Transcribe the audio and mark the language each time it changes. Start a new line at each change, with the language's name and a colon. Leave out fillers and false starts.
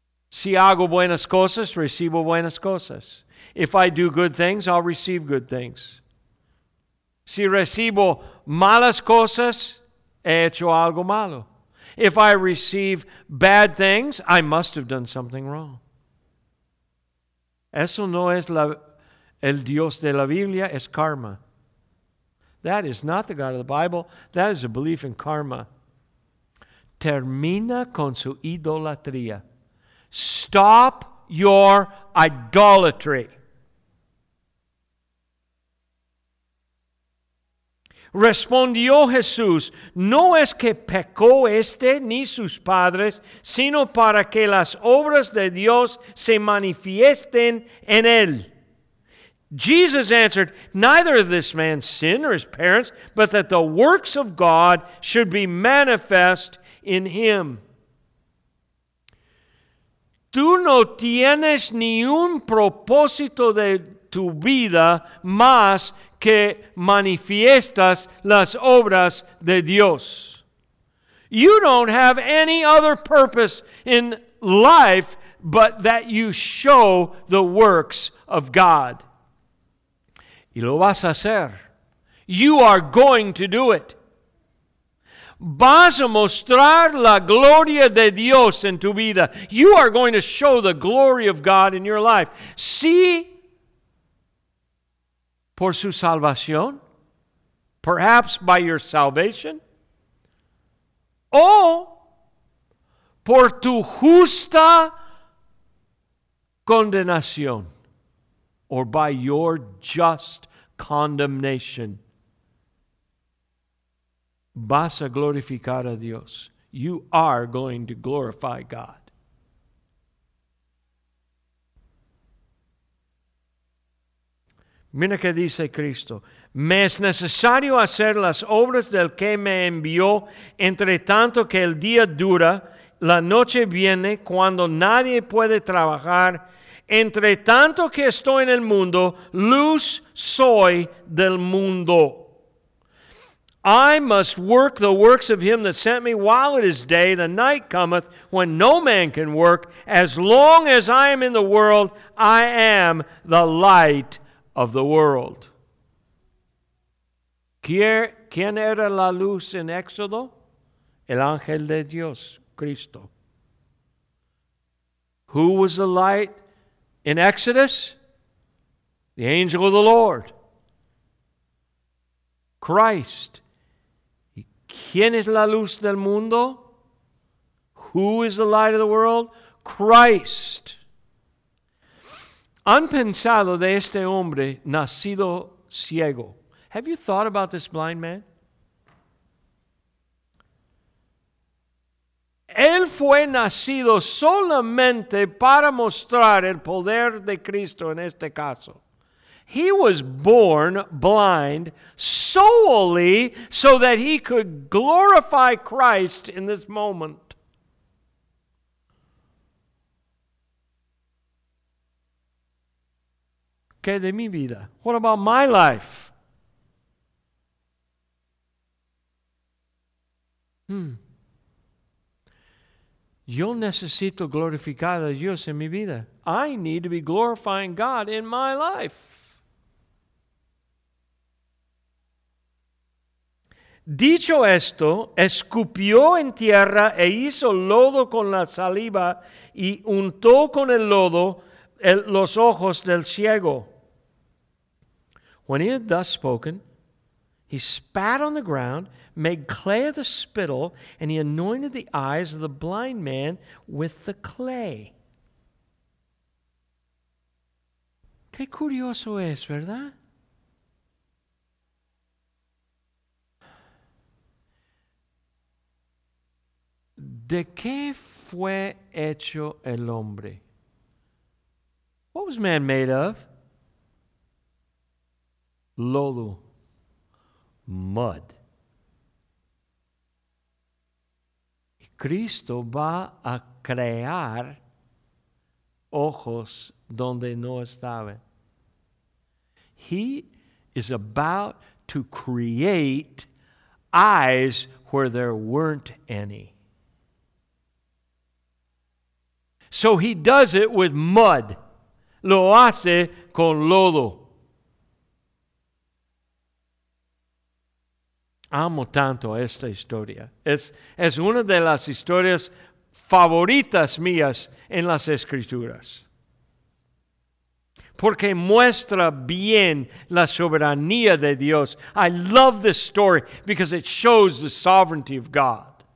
Spanish: Si hago buenas cosas, recibo buenas cosas.
English: If I do good things, I'll receive good things.
Spanish: Si recibo malas cosas, he hecho algo malo.
English: If I receive bad things, I must have done something wrong.
Spanish: Eso no es el Dios de la Biblia, es karma.
English: That is not the God of the Bible. That is a belief in karma.
Spanish: Termina con su idolatría.
English: Stop your idolatry.
Spanish: Respondió Jesús, no es que pecó este ni sus padres, sino para que las obras de Dios se manifiesten en él.
English: Jesus answered, neither is this man sin or his parents, but that the works of God should be manifest in him.
Spanish: Tú no tienes ni un propósito de tu vida más que manifiestas las obras de Dios.
English: You don't have any other purpose in life but that you show the works of God.
Spanish: Y lo vas a hacer.
English: You are going to do it.
Spanish: Vas a mostrar la gloria de Dios en tu vida.
English: You are going to show the glory of God in your life.
Spanish: See, por su salvación,
English: perhaps by your salvation,
Spanish: o por tu justa condenación,
English: or by your just condemnation,
Spanish: vas a glorificar a Dios.
English: You are going to glorify God.
Spanish: Mira que dice Cristo, me es necesario hacer las obras del que me envió, entre tanto que el día dura, la noche viene cuando nadie puede trabajar, entre tanto que estoy en el mundo, luz soy del mundo.
English: I must work the works of him that sent me while it is day. The night cometh when no man can work. As long as I am in the world, I am the light of the world.
Spanish: ¿Quién era la luz en Éxodo? El ángel de Dios, Cristo.
English: Who was the light in Exodus? The angel of the Lord. Christ.
Spanish: ¿Quién es la luz del mundo?
English: Who is the light of the world? Christ.
Spanish: Han pensado de este hombre nacido ciego.
English: Have you thought about this blind man?
Spanish: Él fue nacido solamente para mostrar el poder de Cristo en este caso.
English: He was born blind solely so that he could glorify Christ in this moment.
Spanish: ¿Qué de mi vida?
English: What about my life?
Spanish: Yo necesito glorificar a Dios en mi vida.
English: I need to be glorifying God in my life.
Spanish: Dicho esto, escupió en tierra e hizo lodo con la saliva y untó con el lodo los ojos del ciego.
English: When he had thus spoken, he spat on the ground, made clay of the spittle, and he anointed the eyes of the blind man with the clay.
Spanish: Qué curioso es, ¿verdad? ¿De qué fue hecho el hombre?
English: What was man made of?
Spanish: Lodo.
English: Mud.
Spanish: Y Cristo va a crear ojos donde no estaba.
English: He is about to create eyes where there weren't any. So he does it with mud.
Spanish: Lo hace con lodo. Amo tanto esta historia. Es una de las historias favoritas mías en las Escrituras. Porque muestra bien la soberanía de Dios.
English: I love this story because it shows the sovereignty of God.